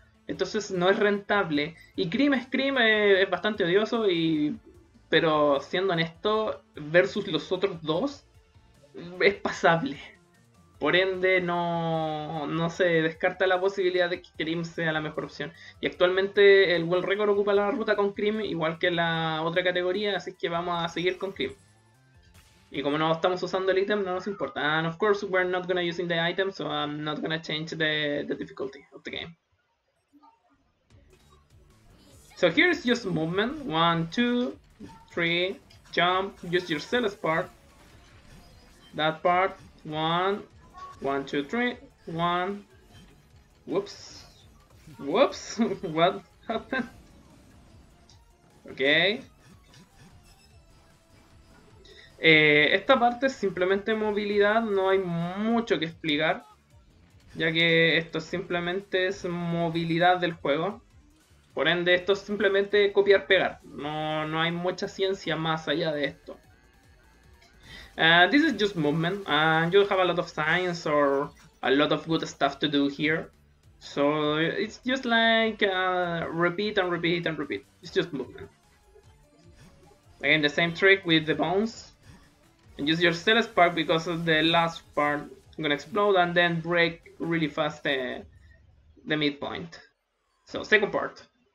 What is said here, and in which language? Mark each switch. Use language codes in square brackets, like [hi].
[es] Entonces no es rentable. Y Scream es bastante odioso, pero siendo honesto, versus los otros dos, es pasable. Por ende, no se descarta la posibilidad de que Cream sea la mejor opción. Y actualmente el World Record ocupa la ruta con Cream, igual que la otra categoría, así que vamos a seguir con Cream. Y como no estamos usando el ítem, no nos importa. [en] And of course, we're not gonna using the item, so I'm not gonna change the difficulty of the game. So here is just movement. 1, 2, 3, jump, use your Celeste part. That part, 1, 2, 3, 1. Whoops. What happened? Okay. [es] Esta parte es simplemente movilidad. No hay mucho que explicar. Ya que esto simplemente es movilidad del juego. Por ende, esto es simplemente copiar pegar. No hay mucha ciencia más allá de esto. [en] This is just movement, and you have a lot of science or a lot of good stuff to do here. So it's just like repeat and repeat and repeat. It's just movement. Again, the same trick with the bones. And use your Stellar Spark because of the last part is gonna explode and then break really fast the midpoint. So, second part.